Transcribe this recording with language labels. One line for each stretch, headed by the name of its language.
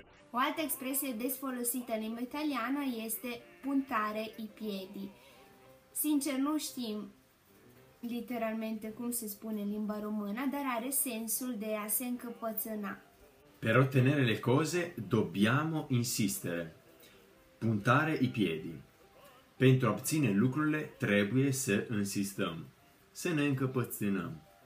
Romanian: O altă expresie des folosită în limba italiană este
Italian: puntare i piedi.
Romanian: Sincer, nu știm literalmente cum se spune în limba română, dar are sensul de a se încăpățâna.
Italian: Per ottenere le cose dobbiamo insistere, puntare i piedi.
Romanian: Pentru a obține lucrurile trebuie să insistăm, să ne încăpățânăm.